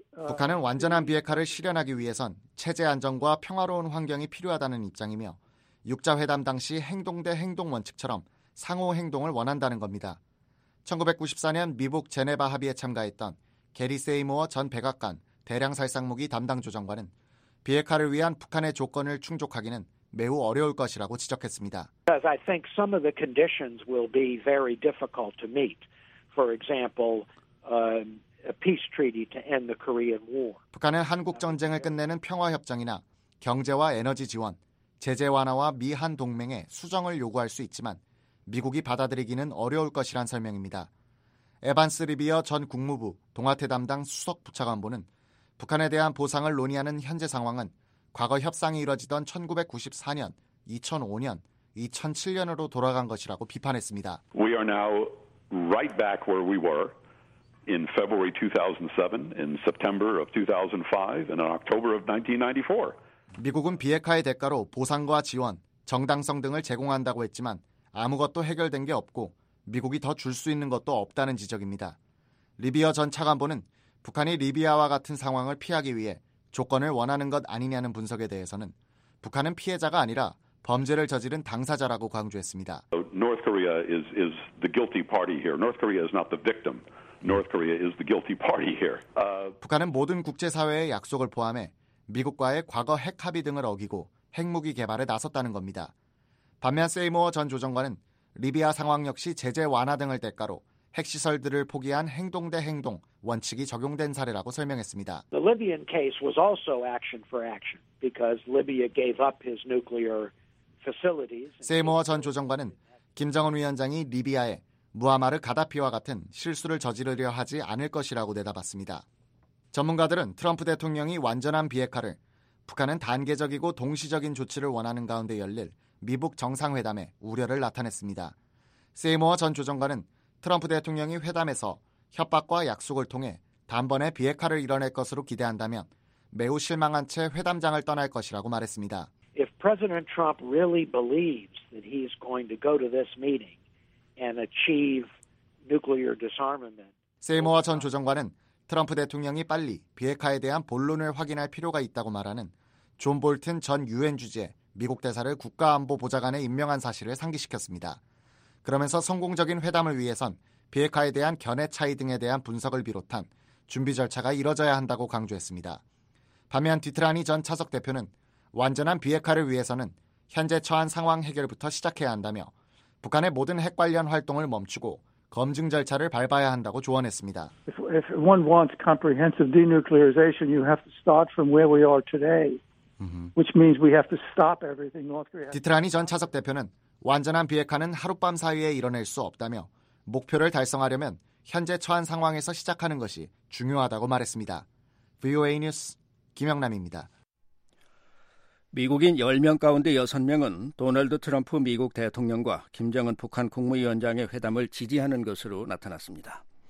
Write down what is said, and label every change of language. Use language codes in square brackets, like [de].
[ko] 북한은 완전한 비핵화를 실현하기 위해선 체제 안정과 평화로운 환경이 필요하다는 입장이며 6자 회담 당시 행동 대 행동 원칙처럼 상호 행동을 원한다는 겁니다. 1994년 미북 제네바 합의에 참가했던 게리 세이모어 전 백악관 대량 살상무기 담당 조정관은 비핵화를 위한 북한의 조건을 충족하기는 매우 어려울 것이라고 지적했습니다. [en] Because I think some of the conditions will be very difficult to meet. For example, a peace treaty to end the Korean War. [ko] 북한은 한국 전쟁을 끝내는 평화 협정이나 경제와 에너지 지원, 제재 완화와 미한 동맹의 수정을 요구할 수 있지만 미국이 받아들이기는 어려울 것이란 설명입니다. 에반스 리비어 전 국무부 동아태 담당 수석 부차관보는 북한에 대한 보상을 논의하는 현재 상황은 과거 협상이 이뤄지던 1994년, 2005년, 2007년으로 돌아간 것이라고 비판했습니다. [en] We are now right back where we were in February 2007, in September of 2005, and in October of 1994. [ko] 미국은 비핵화의 대가로 보상과 지원, 정당성 등을 제공한다고 했지만 아무것도 해결된 게 없고 미국이 더 줄 수 있는 것도 없다는 지적입니다. 리비어 전 차관보는 북한이 리비아와 같은 상황을 피하기 위해 조건을 원하는 것 아니냐는 분석에 대해서는 북한은 피해자가 아니라 범죄를 저지른 당사자라고 강조했습니다. [en] North Korea is the guilty party here. North Korea is not the victim. North Korea is the guilty party here. [ko] 북한은 모든 국제사회의 약속을 포함해 미국과의 과거 핵 합의 등을 어기고 핵무기 개발에 나섰다는 겁니다. 반면 세이모어 전 조정관은 리비아 상황 역시 제재 완화 등을 대가로 핵시설들을 포기한 행동 대 행동 원칙이 적용된 사례라고 설명했습니다. [en] The Libyan case was also action for action because Libya gave up his nuclear facilities. [ko] 세이모어 전 조정관은 김정은 위원장이 리비아에 무아마르 가다피와 같은 실수를 저지르려 하지 않을 것이라고 내다봤습니다. 전문가들은 트럼프 대통령이 완전한 비핵화를 북한은 단계적이고 동시적인 조치를 원하는 가운데 열릴 미북 정상회담에 우려를 나타냈습니다. 세이모어 전 조정관은 트럼프 대통령이 회담에서 협박과 약속을 통해 단번에 비핵화를 이뤄낼 것으로 기대한다면 매우 실망한 채 회담장을 떠날 것이라고 말했습니다. [en] If President Trump really believes that he's going to go to this meeting and achieve nuclear disarmament, [ko] 세이모어 전 조정관은 트럼프 대통령이 빨리 비핵화에 대한 본론을 확인할 필요가 있다고 말하는 존 볼튼 전 유엔 주재 미국 대사를 국가안보보좌관에 임명한 사실을 상기시켰습니다. 그러면서 성공적인 회담을 위해선 비핵화에 대한 견해 차이 등에 대한 분석을 비롯한 준비 절차가 이뤄져야 한다고 강조했습니다. 반면 디트라니 전 차석 대표는 완전한 비핵화를 위해서는 현재 처한 상황 해결부터 시작해야 한다며 북한의 모든 핵 관련 활동을 멈추고 검증 절차를 밟아야 한다고 조언했습니다. [en] If one wants comprehensive denuclearization, you have to start from where we are today, which means we have to stop everything North Korea. [ko] 디트라니 전 차석 대표는 완전한 비핵화는 하룻밤 사이에 이뤄낼 수 없다며 목표를 달성하려면 현재 처한 상황에서 시작하는 것이 중요하다고 말했습니다. VOA 뉴스 김영남입니다. 미국인 10명 가운데 6명은 도널드 트럼프 미국 대통령과 김정은 북한 국무위원장의 회담을 지지하는 것으로 나타났습니다.